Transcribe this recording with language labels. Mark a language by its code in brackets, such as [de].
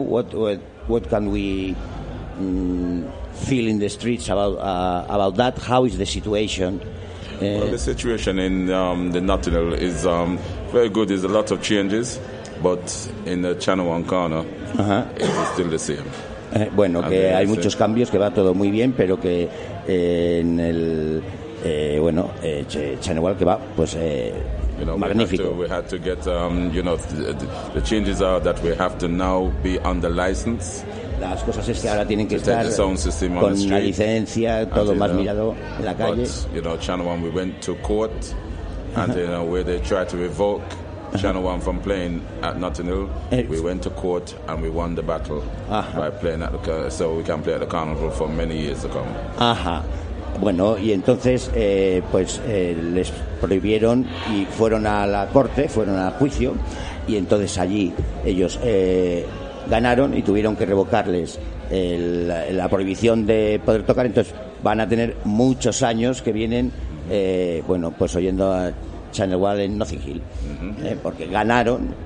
[en] What can we feel in the streets about that? How is the situation? Well, the situation in the Nothing Hill is very good. There's a lot of changes, but in the Channel One corner, uh-huh. It's still the same. [es] Bueno, que hay muchos cambios, que va todo muy bien, pero que en el Channel One que va, pues. [en] You know, we had to get, the changes are that we have to now be under license. [es] Las cosas es que ahora tienen que [en] to take the sound system on the street. [es] Licencia, todo más mirado en la calle. [en] But, you know, Channel One, we went to court, and, you know, where they tried to revoke Channel One from playing at Notting Hill, we went to court, and we won the battle by playing at the so we can play at the carnival for many years to come. Ajá. [es] Bueno, y entonces, les prohibieron y fueron a la corte, fueron a juicio, y entonces allí ellos ganaron y tuvieron que revocarles la prohibición de poder tocar. Entonces van a tener muchos años que vienen, bueno, pues oyendo a Channel Wild en Nothing Hill, porque ganaron.